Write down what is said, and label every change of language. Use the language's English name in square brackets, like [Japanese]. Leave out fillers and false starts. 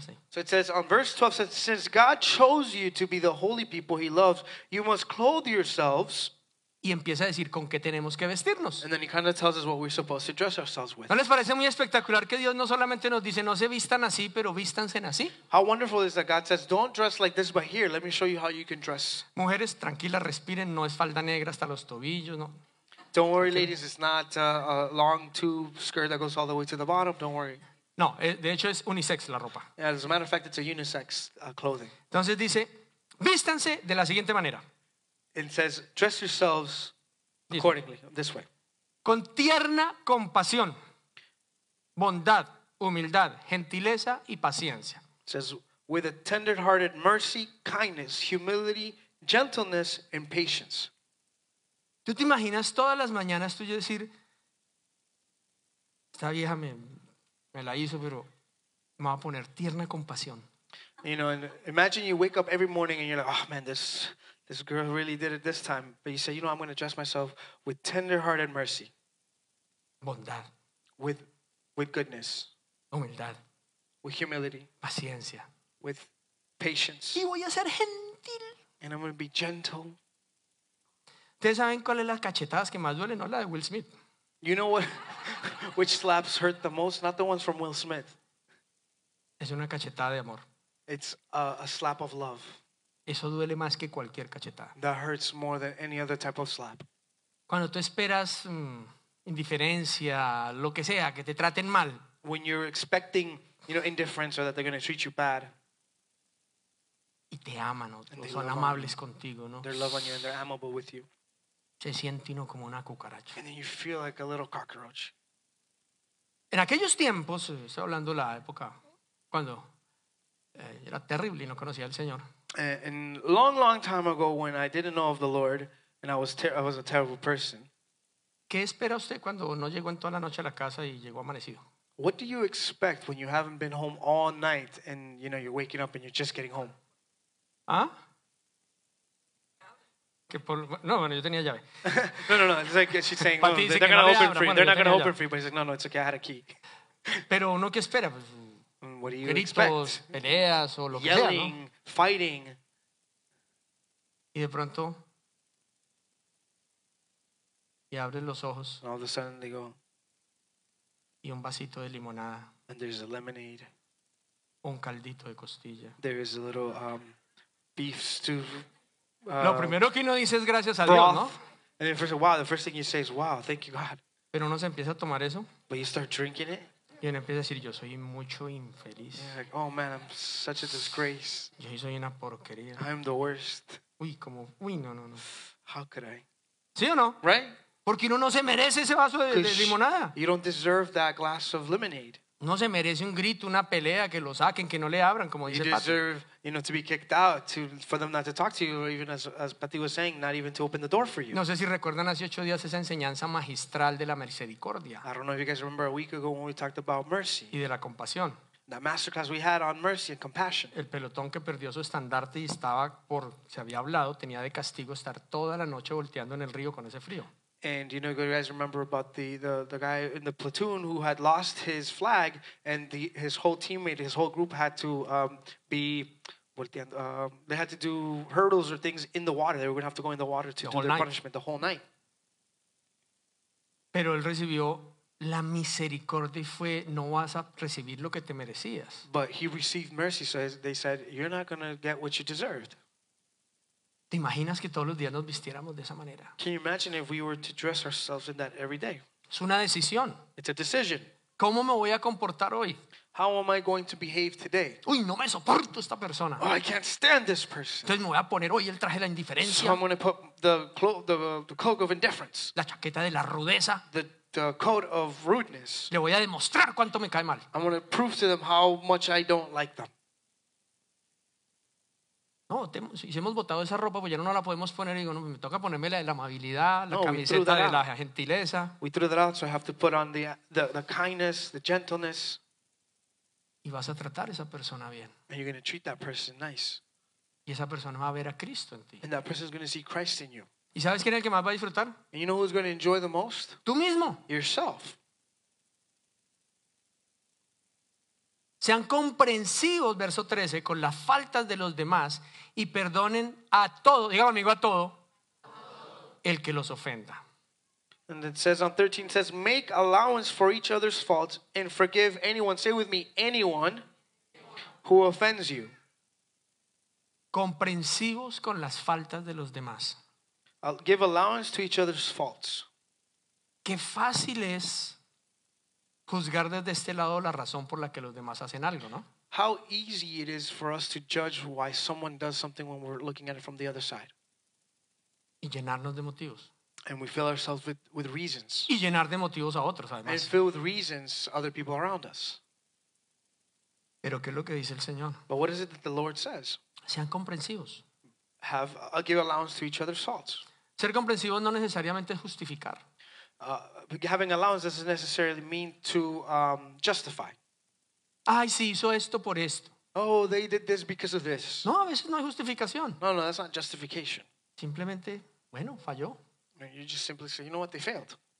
[English] So it says on verse 12, it says, since God chose you to be the holy people he loves, you must clothe yourselves. [Spanish] Y empieza a decir con qué tenemos que vestirnos. [English] And then he kind of tells us what we're supposed to dress ourselves with. [Spanish] ¿No les parece muy espectacular que Dios no solamente nos dice no se vistan así, pero vístanse así? [English] How wonderful is that God says, don't dress like this, but here, let me show you how you can dress. [Spanish] Mujeres, tranquilas, respiren, no es falda negra hasta los tobillos, no. [English] Don't worry, ladies, it's not a long tube skirt that goes all the way to the bottom, don't worry. [Spanish] No, de hecho es unisex la ropa. [English] As a matter of fact, it's a unisex clothing. [Spanish] Entonces dice, vístanse de la siguiente manera. [English] It says, dress yourselves accordingly, this way. [Spanish] Con tierna compasión, bondad, humildad, gentileza y paciencia. [English] It says, with a tender-hearted mercy, kindness, humility, gentleness, and patience. [Spanish] ¿Tú te imaginas todas las mañanas tú decir, esta vieja me la hizo, pero me va a poner tierna compasión? [English] You know, and imagine you wake up every morning and you're like, oh man, this girl really did it this time. But you say, you know, I'm going to dress myself with tender-hearted mercy. [Spanish] Bondad. [English] With goodness. [Spanish] Humildad. [English] With humility. [Spanish] Paciencia. [English] With patience. [Spanish] Y voy a ser gentil. [English] And I'm going to be gentle. [Spanish] ¿Ustedes saben cuáles las cachetadas que más duelen? No la de Will Smith. [English] You know what, which slaps hurt the most? Not the ones from Will Smith. [Spanish] Es una cachetada de amor. [English] It's a slap of love. [Spanish] Eso duele más que cualquier cachetada. [English] That hurts more than any other type of slap. [Spanish] Cuando tú esperas indiferencia, lo que sea, que te traten mal. [English] When you're expecting, you know, indifference or that they're going to treat you bad. [Spanish] Y te aman, ¿no? O son amables contigo, ¿no? [English] They love on you and they're amable with you. [Spanish] Se siente uno como una cucaracha. [English] And then you feel like a little cockroach. [Spanish] En aquellos tiempos, estoy hablando de la época, cuando era terrible y no conocía al Señor. [English] And long time ago when I didn't know of the Lord and I was a terrible person. [Spanish] ¿Qué espera usted cuando no llegó en toda la noche a la casa y llegó amanecido? [English] What do you expect when you haven't been home all night and you know you're waking up and you're just getting home? ¿Ah? [Spanish] Que por, no, bueno, yo tenía llave. [English] No, it's like she's saying no, they're going to open for you. They're not going to open for you, but he's like, no, it's okay, I had a key. [Spanish] Pero uno qué espera, pues, [English] what do you [Spanish] gritos, [English] expect? [Spanish] Peleas o lo [English] yelling, [Spanish] que sea, ¿no? [English] Fighting. [Spanish] Y de pronto y abren los ojos. [English] And all of a sudden they go. [Spanish] Y un vasito de limonada. [English] And there's a lemonade. [Spanish] Un caldito de costilla. [English] There is a little beef stew. [Spanish] Lo primero que uno dice es gracias a Dios, ¿no? [English] And then first, wow, the first thing you say is wow, thank you God. [Spanish] Pero uno se empieza a tomar eso. [English] But you start drinking it. [Spanish] Y uno empieza a decir, yo soy mucho infeliz. [English] Yeah, like, oh man, I'm such a disgrace. [Spanish] Yo soy una porquería. [English] I'm the worst. [Spanish] Uy, como, uy, no. [English] How could I? [Spanish] ¿Sí o no? [English] Right? [Spanish] Porque uno no se merece ese vaso de limonada. [English] You don't deserve that glass of lemonade. [Spanish] No se merece un grito, una pelea, que lo saquen, que no le abran, como dice Pati. [English] You deserve, you know, to be kicked out, for them not to talk to you, or even as Pati was saying, not even to open the door for you. [Spanish] No sé si recuerdan hace 8 días esa enseñanza magistral de la misericordia. [English] I don't know if you guys remember a week ago when we talked about mercy. [Spanish] Y de la compasión. [English] The masterclass we had on mercy and compassion. [Spanish] El pelotón que perdió su estandarte y estaba por, se había hablado, tenía de castigo estar toda la noche volteando en el río con ese frío. [English] And you know, you guys remember about the guy in the platoon who had lost his flag, and his whole teammate, his whole group had to be, they had to do hurdles or things in the water. They were going to have to go in the water to do their punishment the whole night. [Spanish] Pero él recibió la misericordia y fue, no vas a recibir lo que te merecías. [English] But he received mercy, so they said, you're not going to get what you deserved. [Spanish] ¿Te imaginas que todos los días nos vistiéramos de esa manera? [English] Can you imagine if we were to dress ourselves in that every day? [Spanish] Es una decisión. [English] It's a decision. [Spanish] ¿Cómo me voy a comportar hoy? [English] How am I going to behave today? [Spanish] Uy, no me soporto esta persona. [English] Oh, I can't stand this person. [Spanish] Entonces me voy a poner hoy el traje de la indiferencia. [English] So I'm going to put the cloak of indifference. [Spanish] La chaqueta de la rudeza. [English] The coat of rudeness. [Spanish] Le voy a demostrar cuánto me cae mal. [English] I'm going to prove to them how much I don't like them. [Spanish] No, si hemos botado esa ropa, pues ya no la podemos poner. Y digo, no, me toca ponerme la amabilidad, la camiseta de la gentileza. [English] We threw that out, so I have to put on the kindness, the gentleness. [Spanish] Y vas a tratar a esa persona bien. [English] And you're going to treat that person nice. [Spanish] Y esa persona va a ver a Cristo en ti. [English] And that person is going to see Christ in you. [Spanish] ¿Y sabes quién es el que más va a disfrutar? [English] And you know who's going to enjoy the most? [Spanish] Tú mismo. [English] Yourself. [Spanish] Sean comprensivos, verso 13, con las faltas de los demás y perdonen a todo, diga amigo, a todo, el que los ofenda. [English] And it says on 13, says, make allowance for each other's faults and forgive anyone, say with me, anyone who offends you. [Spanish] Comprensivos con las faltas de los demás. [English] I'll give allowance to each other's faults. [Spanish] Qué fácil es juzgar desde este lado la razón por la que los demás hacen algo, ¿no? [English] How easy it is for us to judge why someone does something when we're looking at it from the other side. [Spanish] Y llenarnos de motivos. [English] And we fill ourselves with reasons. [Spanish] Y llenar de motivos a otros, además. [English] And fill with reasons other people around us. [Spanish] Pero ¿qué es lo que dice el Señor? [English] But what is it that the Lord says? [Spanish] Sean comprensivos. [English] Give allowance to each other's faults. [Spanish] Ser comprensivos no necesariamente es justificar. [English] Having allowance doesn't necessarily mean to justify. [Spanish] Ay, sí, hizo esto por esto. [English] Oh, they did this because of this. [Spanish] No, a veces no hay justificación. [English] No, no, that's not justification. [Spanish] Simplemente, bueno, falló. [English] You just simply say, you know what, they failed.